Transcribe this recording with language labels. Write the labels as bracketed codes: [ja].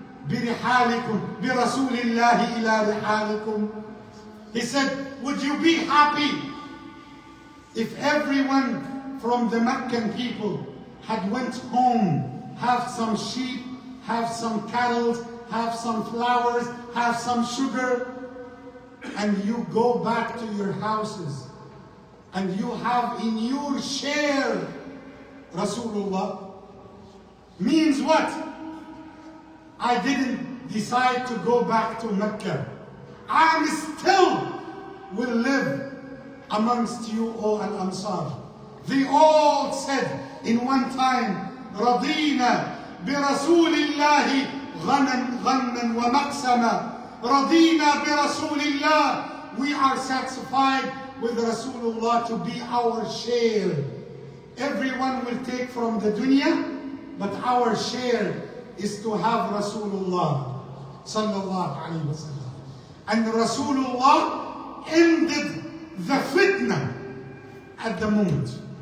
[ar] برحالكم برسول الله إلى رحالكم. [en] He said, would you be happy if everyone from the Meccan people had went home, have some sheep, have some cattle, have some flowers, have some sugar, and you go back to your houses, and you have in your share Rasulullah? Means what? I didn't decide to go back to Mecca. I still will live amongst you, O Al-Ansar. They all said in one time, [ar] رَضِينَ بِرَسُولِ اللَّهِ غَنًا وَمَقْسَمًا رَضِينَ بِرَسُولِ اللَّهِ. [en] We are satisfied with Rasulullah to be our share. Everyone will take from the dunya, but our share is to have Rasulullah sallallahu alayhi wa sallam. And Rasulullah ended the fitna at the moment.